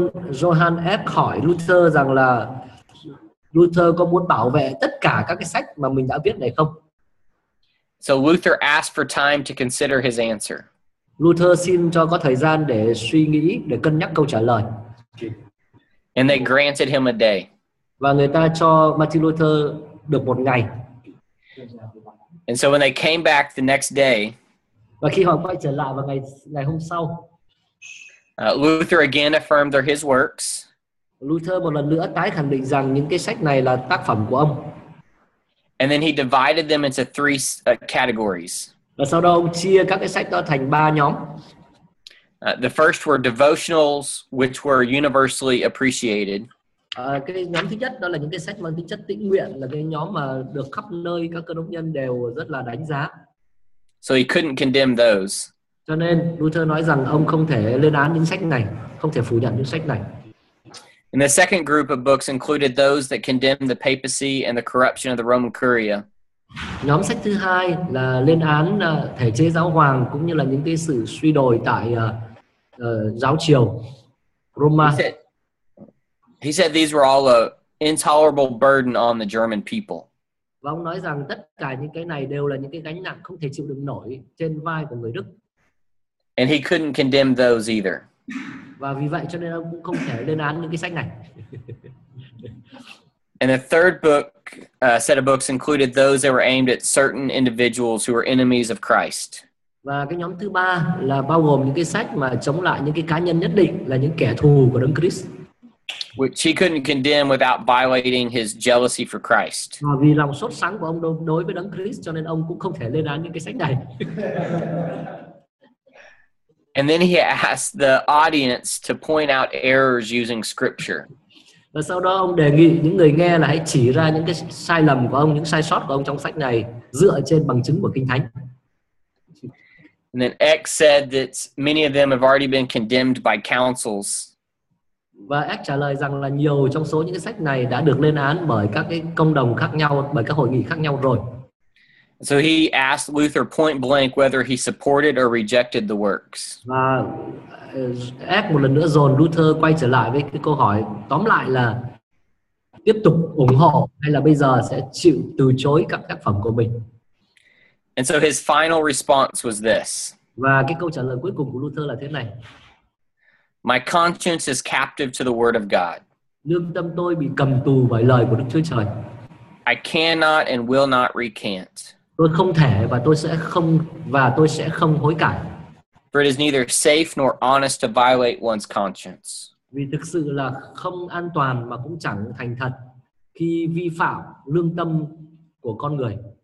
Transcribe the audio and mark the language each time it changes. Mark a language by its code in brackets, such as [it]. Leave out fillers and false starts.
[vi] Johann Eck hỏi Luther rằng là Luther có muốn bảo vệ tất cả các cái sách mà mình đã viết này không? [en] So Luther asked for time to consider his answer. [vi] Luther xin cho có thời gian để suy nghĩ, để cân nhắc câu trả lời. [en] And they granted him a day. [vi] Và người ta cho Martin Luther được một ngày. [en] And so when they came back the next day, [vi] và khi họ quay trở lại vào ngày hôm sau, [en] Luther again affirmed they're his works. [vi] Luther một lần nữa tái khẳng định rằng những cái sách này là tác phẩm của ông. [en] And then he divided them into three categories. [vi] Và sau đó ông chia các cái sách đó thành ba nhóm. [en] The first were devotionals, which were universally appreciated. [vi] Cái nhóm thứ nhất đó là những cái sách mang tính chất tĩnh nguyện, là cái nhóm mà được khắp nơi các cơ đốc nhân đều rất là đánh giá. [en] So he couldn't condemn those. [vi] Cho nên Luther nói rằng ông không thể lên án những sách này, không thể phủ nhận những sách này. [en] And the second group of books included those that condemned the papacy and the corruption of the Roman Curia. [vi] Nhóm sách thứ hai là lên án thể chế giáo hoàng cũng như là những cái sự suy đồi tại giáo triều Roma. [en] He said these were all a intolerable burden on the German people. [vi] Và ông nói rằng tất cả những cái này đều là những cái gánh nặng không thể chịu đựng nổi trên vai của người Đức. [en] And he couldn't condemn those either. [vi] Và vì vậy cho nên ông cũng không thể lên án những cái sách này. [en] And the third book, set of books included those that were aimed at certain individuals who were enemies of Christ. [vi] Và cái nhóm thứ ba là bao gồm những cái sách mà chống lại những cái cá nhân nhất định, là những kẻ thù của Đấng Christ. [en] Which he couldn't condemn without violating his jealousy for Christ. [vi] Và vì lòng sốt sắng của ông đối với Đấng Christ cho nên ông cũng không thể lên án những cái sách này. [en] And then he asked the audience to point out errors using scripture. [vi] Và sau đó ông đề nghị những người nghe là hãy chỉ ra những cái sai lầm của ông, những sai sót của ông trong sách này dựa trên bằng chứng của Kinh Thánh. [en] And then X said that many of them have already been condemned by councils. [vi] Và X trả lời rằng là nhiều trong số những cái sách này đã được lên án bởi các cái cộng đồng khác nhau, bởi các hội nghị khác nhau rồi. [en] So he asked Luther point blank whether he supported or rejected the works. [vi] Và ép một lần nữa dồn Luther quay trở lại với cái câu hỏi tóm lại là tiếp tục ủng hộ hay là bây giờ sẽ chịu từ chối các tác phẩm của mình. [en] And so his final response was this. [vi] Và cái câu trả lời cuối cùng của Luther là thế này. [en] My conscience is captive to the word of God. [vi] Lương tâm tôi bị cầm tù bởi lời của Đức Chúa Trời. [en] I cannot and will not recant. [vi] Tôi không thể và tôi sẽ không hối cải. [en] For it is neither safe nor honest to violate one's conscience. [vi] Vì thực sự là không an toàn mà cũng chẳng thành thật khi vi phạm lương tâm của con người.